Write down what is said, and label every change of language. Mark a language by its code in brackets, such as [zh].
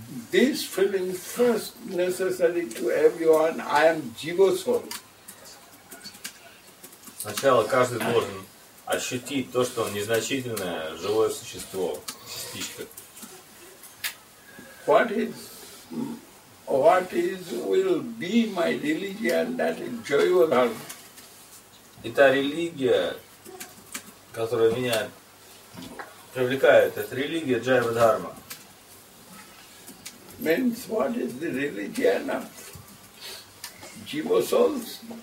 [en] This feeling first necessary to everyone, I am jiva soul. [ru] Сначала каждый должен ощутить то, что он незначительное живое существо, частичка. [en] What is what is will be my religion, that is joyful. [ru] Эта религия, которая меня привлекает, это религия Джайва Дхарма. [en] Means what is the religion of Jiva souls?